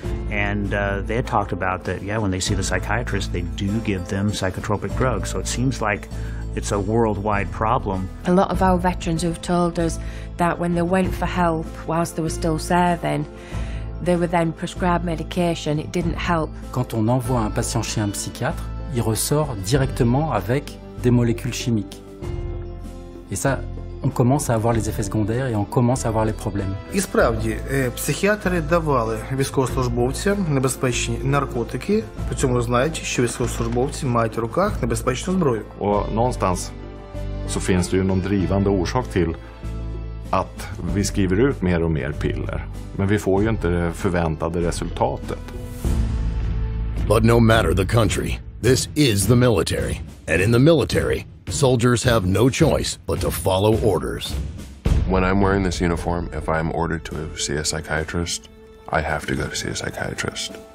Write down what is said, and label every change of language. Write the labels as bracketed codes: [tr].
[en] And they had talked about that, yeah, when they see the psychiatrist, they do give them psychotropic drugs. So it seems like it's a worldwide problem. A lot of our veterans have told us that when they went for help whilst they were still serving, They were then prescribed medication. It didn't help. [fr] Quand on envoie un patient chez un psychiatre, il ressort directement avec des molécules chimiques. Et ça, on commence à avoir les effets secondaires et on commence à avoir les problèmes. [uk] І справді, психіатри давали військовослужбовцям небезпечні наркотики, при цьому знаючи, що військовослужбовці мають в руках небезпечну зброю. [sv] Och någonstans så finns det ju någon drivande orsak till att vi skriver ut mer och mer piller, men vi får ju inte det förväntade resultatet. [en] But no matter the country, this is the military. And in the military, soldiers have no choice but to follow orders. When I'm wearing this uniform, if I'm ordered to see a psychiatrist, I have to go see a psychiatrist.